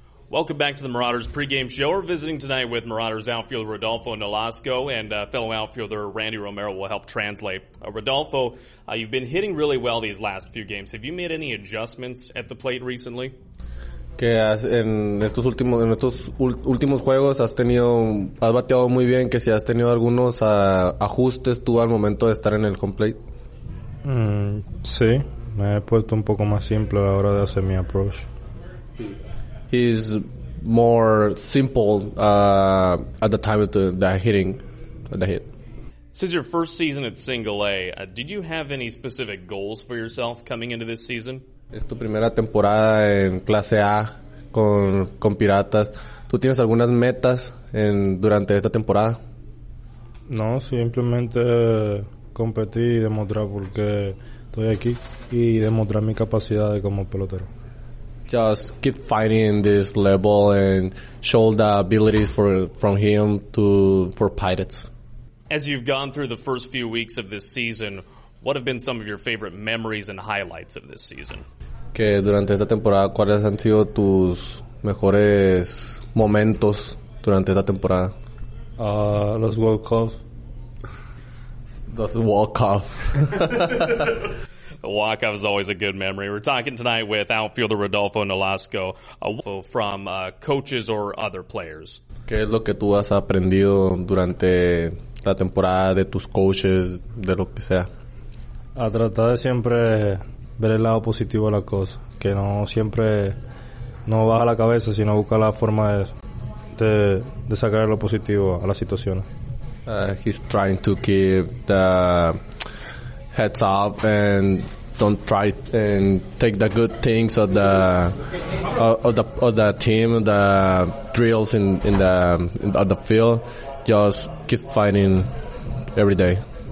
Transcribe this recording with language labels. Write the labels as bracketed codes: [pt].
[en] Welcome back to the Marauders pregame show. We're visiting tonight with Marauders outfielder Rodolfo Nolasco and fellow outfielder Randy Romero will help translate. Rodolfo, you've been hitting really well these last few games. Have you made any adjustments at the plate recently? [es] Que en estos últimos juegos has bateado muy bien, que si has tenido algunos ajustes tú al momento de estar en el home plate. Sí, me he puesto un poco más simple a la hora de hacer mi approach. [en] He's more simple at the time of the hit. Since your first season at single A, did you have any specific goals for yourself coming into this season? [es] Es tu primera temporada en clase A con Piratas. ¿Tú tienes algunas metas durante esta temporada? No, simplemente competir y demostrar por qué estoy aquí y demostrar mi capacidad como pelotero. [en] just keep fighting this level and show the abilities from Pirates. As you've gone through the first few weeks of this season, what have been some of your favorite memories and highlights of this season? [es] Que durante esta temporada, ¿cuáles han sido tus mejores momentos durante esta temporada? Los World Cups. Los World Cups. [en] The walk off is always a good memory. We're talking tonight with outfielder Rodolfo Nolasco, from coaches or other players. [es] ¿Qué es lo que tú has aprendido durante la temporada de tus coaches, de lo que sea? A tratar de siempre ver el lado positivo de la cosa, que no siempre no baja la cabeza, sino busca la forma de sacar lo positivo a las situaciones. [en] He's trying to keep the heads up and don't try and take the good things of the team, the drills in the field. Just keep fighting every day.